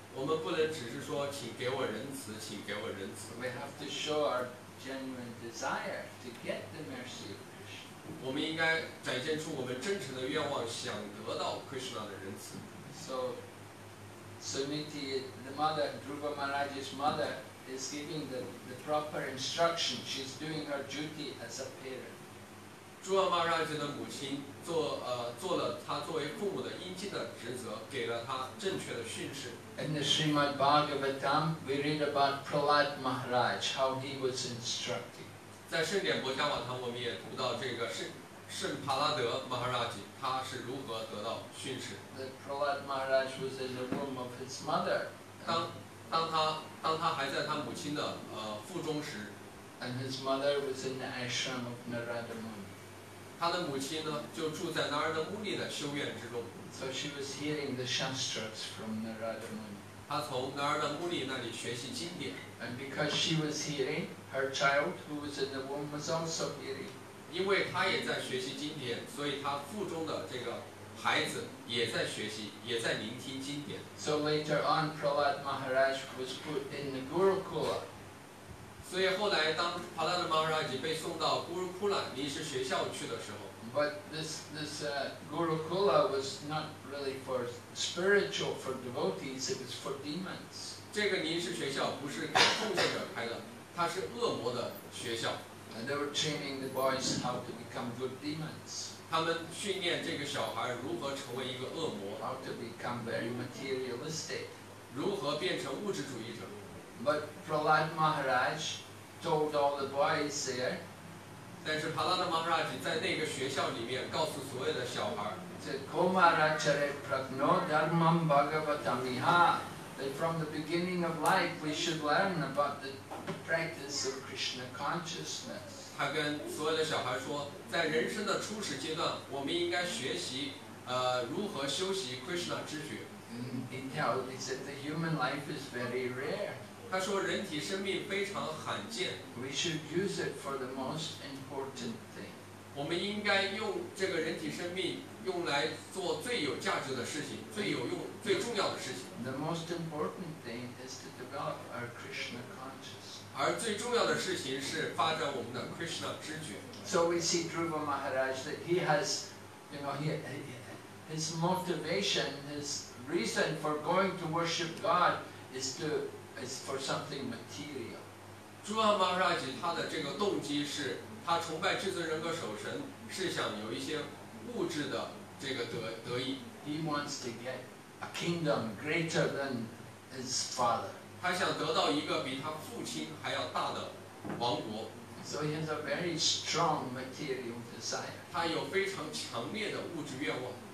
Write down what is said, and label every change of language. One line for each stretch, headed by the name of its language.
Chinese: 我们不能只是说，请给我仁慈，请给我仁慈。
English: We have to show our genuine desire to get the mercy of Krishna.
Chinese: 我们应该展现出我们真诚的愿望，想得到 Krishna 的仁慈。
English: So, Sumiti, the mother, Dhruva Maharaj's mother, is giving the proper instruction. She's doing her duty as a parent.
Chinese: 朱阿玛拉吉的母亲 做了她作为父母的应尽的职责，给了她正确的训示。
English: In the Srimad Bhagavatam, we read about Prahlad Maharaj, how he was instructed.
Chinese: 在圣典博伽瓦堂，我们也读到这个圣帕拉德 Maharaj 他是如何得到训斥。
English: The Prahlad Maharaj was in the womb of his mother.
Chinese: 当他还在他母亲的腹中时。
English: And his mother was in the ashram of Narada Muni.
Chinese: 他的母亲呢就住在 Narada Muni 的修院之中。
English: So she was hearing the shastras from Narada Muni.
Chinese: 他从 Narada Muni 那里学习经典。
English: And because she was hearing, her child who was in the womb was also hearing.
Chinese: 因为他也在学习经典，所以他腹中的这个孩子也在学习，也在聆听经典。
English: So later on, Prahlad Maharaj was put in the Gurukula.
Chinese: 所以后来当 Prahlad Maharaj 被送到 Gurukula 临时学校去的时候
English: ，But this Gurukula was not really for spiritual for devotees. It was for demons.
Chinese: 这个临时学校不是给奉献者开的，它是恶魔的学校。
English: And they were training the boys how to become good demons.
Chinese: 他们训练这个小孩如何成为一个恶魔。
English: How to become very materialistic.
Chinese: 如何变成物质主义者。
English: But Prahlad Maharaj told all the boys there.
Chinese: 但是帕拉德马哈拉吉在那个学校里面告诉所有的小孩。
English: Said,
Sanskrit: Komaracare Pragno Dharmam Bhagavatamiha.
English: That from the beginning of life we should learn about the. Practice of Krishna consciousness.
Chinese: 他跟所有的小孩说，在人生的初始阶段，我们应该学习，如何修习 Krishna 知觉。
English: He said the human life is very rare.
Chinese: 他说人体生命非常罕见。
English: We should use it for the most important thing.
Chinese: 我们应该用这个人体生命用来做最有价值的事情，最有用、最重要的事情。
English: The most important thing is to develop our Krishna consciousness.
Chinese: 而最重要的事情是发展我们的 Krishna 知觉。
English: So we see Dhruva Maharaj that he has, you know, his motivation, his reason for going to worship God is for something material.
Chinese: Dhruva Maharaj 他的这个动机是他崇拜至尊人格守神是想有一些物质的这个得益。
English: He wants to get a kingdom greater than his father.
Chinese: 他想得到一个比他父亲还要大的王国。
English: So he has a very strong material desire.
Chinese: 他有非常强烈的物质愿望。